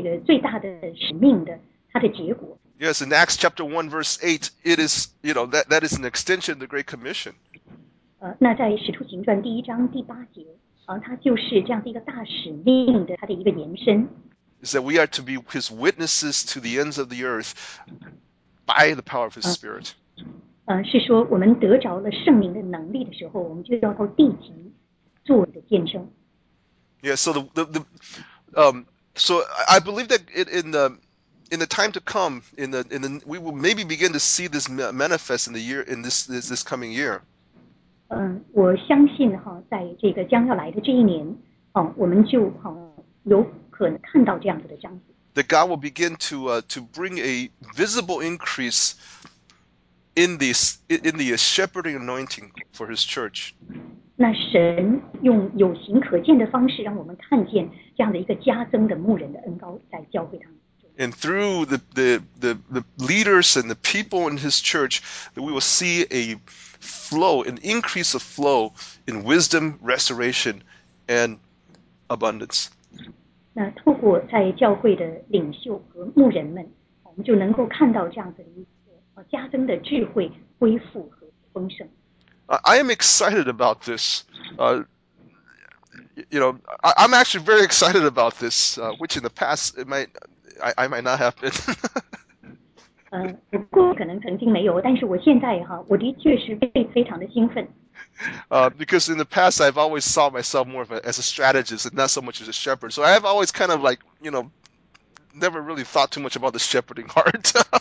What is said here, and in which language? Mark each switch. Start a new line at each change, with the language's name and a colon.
Chinese: 这个就是我们大的神的这个最大的使命的它的结果。
English: Yes, in Acts chapter 1, verse 8, it is, you know, that is an extension of the Great Commission.
Chinese: 那在使徒行传第一章第八节，它就是这样的一个大使命的它的一个延伸。
English: Is that we are to be His witnesses to the ends of the earth by the power of His Spirit.
Chinese: 是说我们得着了圣灵的能力的时候，我们就要到地极做我的见证。
English: Yeah, so so I believe that in the time to come, we will maybe begin to see this manifest in the year in this coming year.
Chinese: 我相信在这个将要来的这一年，我们就有可能看到这样子的彰显。
English: That God will begin to bring a visible increase. In the shepherding anointing for His church.
Chinese: 那神用有形可见的方式让我们看见这样的一个加增的牧人的恩膏在教会当中。
English: And through the leaders and the people in his church, that we will see a flow, an increase of flow in wisdom, restoration, and abundance.
Chinese: 那透过在教会的领袖和牧人们，我们就能够看到这样子的一个加增的智慧、恢复和丰盛。
English: I am excited about this. I'm actually very excited about this, which in the past I might not have been.
Chinese: 我过可能曾经没有，但是我现在哈，我的确是非常的兴奋。
English: Because in the past, I've always saw myself more of as a strategist and not so much as a shepherd. So I've always kind of like, you know, never really thought too much about the shepherding heart.